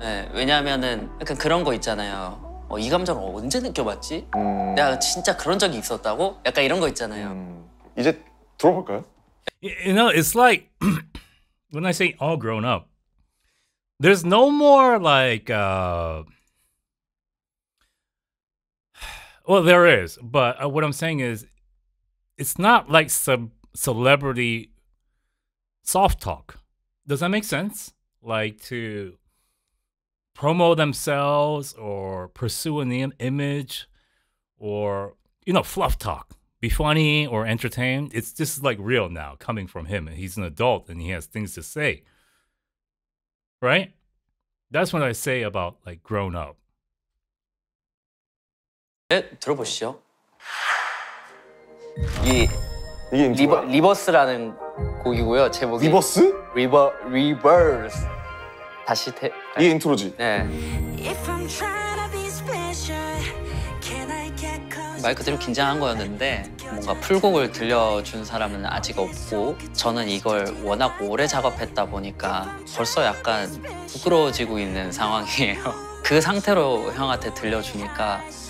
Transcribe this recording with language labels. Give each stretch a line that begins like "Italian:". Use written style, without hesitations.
Korean: 예, 왜냐면은 약간 그런 거 있잖아요. 이 감정을 언제 느껴봤지? 내가 진짜 그런 적이 있었다고? 약간 이런 거 있잖아요. 이제 들어볼까요?
English: You know, it's like when I say all grown up, there's no more like, well, there is, but what I'm saying is it's not like celebrity soft talk. Does that make sense? Like to promo themselves or pursue an image or, you know, fluff talk, be funny or entertain. It's just like real now coming from him. He's an adult and he has things to say, right? That's what I say about like grown up.
Korean: 네, 들어보시죠. 이게 리버스라는 곡이고요. 제목이 리버스? 리버스. 다시 태. 이 인트로지. 네.
English: If I'm trying to be special, can I get close?
Korean: 말 그대로 긴장한 거였는데 뭔가 풀곡을 들려준 사람은 아직 없고 저는 이걸 워낙 오래 작업했다 보니까 벌써 약간 부끄러워지고 있는 상황이에요. 그 상태로 형한테 들려주니까